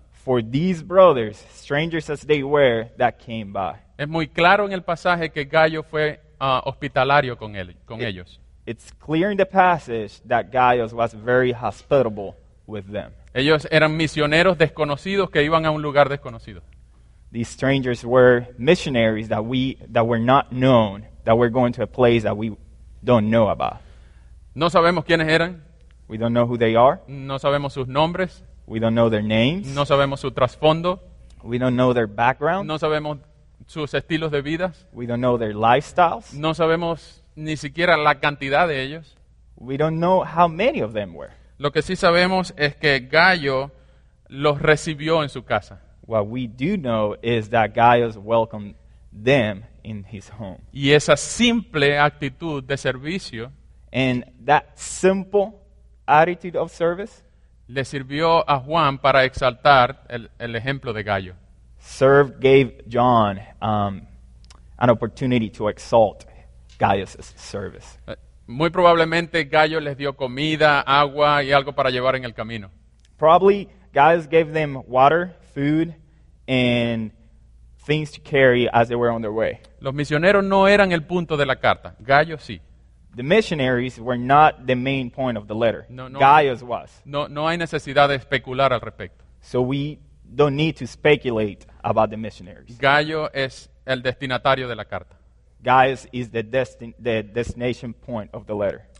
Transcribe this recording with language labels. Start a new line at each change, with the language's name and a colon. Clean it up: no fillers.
English: For these brothers, strangers as they were, that came by.
Spanish: Es muy claro en el pasaje que Gallo fue hospitalario con él, con ellos.
English: It's clear in the passage that Gaius was very hospitable with them.
Spanish: Ellos eran misioneros desconocidos que iban a un lugar desconocido.
English: These strangers were missionaries that were not known, that were going to a place that we don't know about.
Spanish: No sabemos quiénes eran.
English: We don't know who they are.
Spanish: No sabemos sus nombres.
English: We don't know their names.
Spanish: No sabemos su trasfondo.
English: We don't know their background.
Spanish: No sabemos sus estilos de vida.
English: We don't know their lifestyles.
Spanish: No sabemos ni siquiera la cantidad de ellos.
English: We don't know how many of them were.
Spanish: Lo que sí sabemos es que Gallo los recibió en su casa.
English: What we do know is that Gaius welcomed them in his home.
Spanish: Y esa simple actitud de servicio,
English: and that simple attitude of service,
Spanish: le sirvió a Juan para exaltar el ejemplo de Gallo.
English: Served gave John an opportunity to exalt Gaius' service.
Spanish: Muy probablemente Gallo les dio comida, agua y algo para llevar en el camino.
English: Probably Gaius gave them water, food, and things to carry as they were on their way.
Spanish: Los misioneros no eran el punto de la carta. Gallo sí.
English: The missionaries were not the main point of the letter. No, Gaius was.
Spanish: No hay necesidad de especular al respecto.
English: So we don't need to speculate about the missionaries.
Spanish: Gallo es el destinatario de la carta.
English: Gaius is the destination point of the letter.